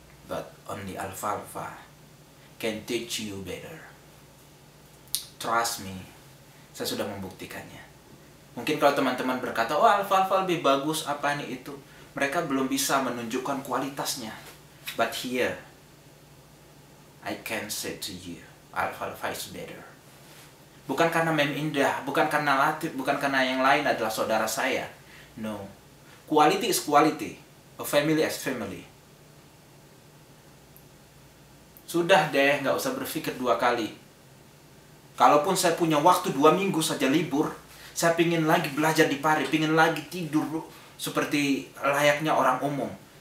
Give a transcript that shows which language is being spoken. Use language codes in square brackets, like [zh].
[en] But only Alfalfa can teach you better. Trust me, [id] saya sudah membuktikannya. Mungkin kalau teman-teman berkata, oh Alfalfa lebih bagus, apa ini itu. Mereka belum bisa menunjukkan kualitasnya. [en] But here, I can say to you, Alfalfa is better. [id] Bukan karena Mem Indah, bukan karena Latif, bukan karena yang lain adalah saudara saya. [en] No. Quality is quality. A family is family. [id] Sudah deh, gak usah berpikir dua kali. Kalaupun saya punya waktu dua minggu saja libur, saya pingin lagi belajar di Paris, pingin lagi tidur seperti layaknya orang umum.